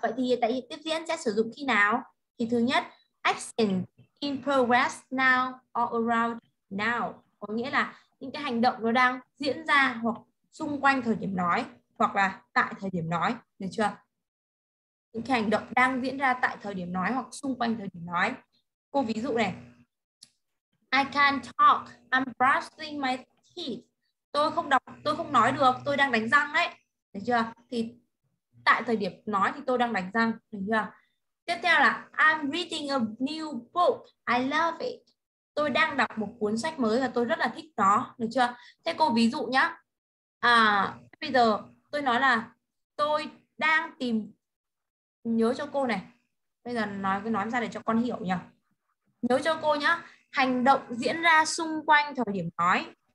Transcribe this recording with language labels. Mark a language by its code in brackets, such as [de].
[vi] Vậy thì hiện tại tiếp diễn sẽ sử dụng khi nào? Thì thứ nhất, [en] action in progress now or around now, [vi] có nghĩa là những cái hành động nó đang diễn ra hoặc xung quanh thời điểm nói hoặc là tại thời điểm nói, được chưa? Những cái hành động đang diễn ra tại thời điểm nói hoặc xung quanh thời điểm nói. Cô ví dụ này, [en] I can't talk, I'm brushing my teeth. [vi] Tôi không đọc, tôi không nói được, tôi đang đánh răng đấy, được chưa? Thì tại thời điểm nói thì tôi đang đánh răng, được chưa? Tiếp theo là [en] I'm reading a new book, I love it. [vi] Tôi đang đọc một cuốn sách mới và tôi rất là thích nó, được chưa? Thế cô ví dụ nhá. À, bây giờ tôi nói là tôi đang tìm, nhớ cho cô này. Bây giờ nói ra để cho con hiểu nhỉ. Nhớ cho cô nhá, hành động diễn ra xung quanh thời điểm nói.